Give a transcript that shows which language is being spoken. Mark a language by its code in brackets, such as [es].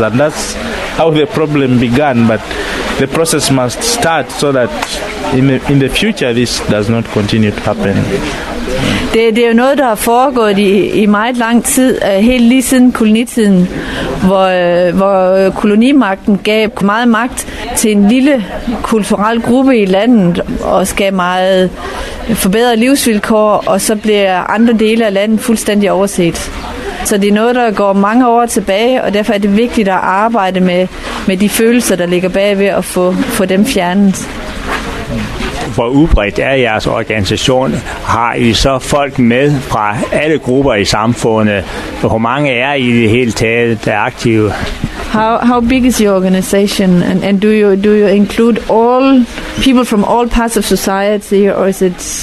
[en] And that's how the problem began. But the process must start so that in the future this does not continue to happen. [da] Det er jo noget, der har foregået i meget lang tid, helt lige siden kolonitiden, hvor kolonimagten gav meget magt til en lille kulturel gruppe i landet og skabte meget forbedrede livsvilkår, og så bliver andre dele af landet fuldstændig overset. Så det er noget, der går mange år tilbage, og derfor er det vigtigt at arbejde med de følelser, der ligger bag ved at få dem fjernet. Hvor udbredt er jeres organisation? Har I så folk med fra alle grupper i samfundet? Hvor mange er I det hele taget, der er aktive? [en] How big is your organization, and do you include all people from all parts of society, or is it